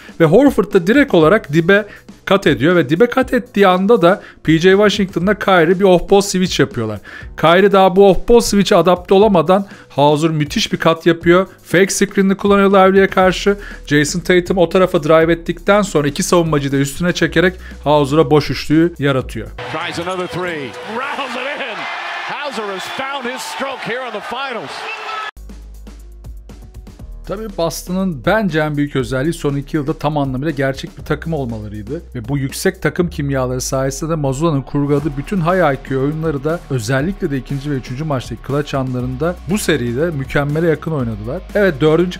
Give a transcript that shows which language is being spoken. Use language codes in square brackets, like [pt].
[tr] Ve Horford da direkt olarak dibe kat ediyor ve dibe kat ettiği anda da PJ Washington'la Kyrie bir off-ball switch yapıyorlar. Kyrie daha bu off-ball switch'e adapte olamadan Hauser müthiş bir kat yapıyor. Fake screen'ini kullanıyor Lively'e karşı. Jason Tatum o tarafa drive ettikten sonra iki savunmacıyı da üstüne çekerek Hauser'a boş üçlüğü yaratıyor. [en] Tries another three. Rounds it in. Hauser has found his stroke here on the finals. [tr] Tabii Boston'ın bence en büyük özelliği son 2 yılda tam anlamıyla gerçek bir takım olmalarıydı. Ve bu yüksek takım kimyaları sayesinde de Mazzulla'nın kurguladığı bütün high IQ oyunları da özellikle de 2. ve 3. maçtaki clutch anlarında bu seride mükemmele yakın oynadılar. Evet, 4.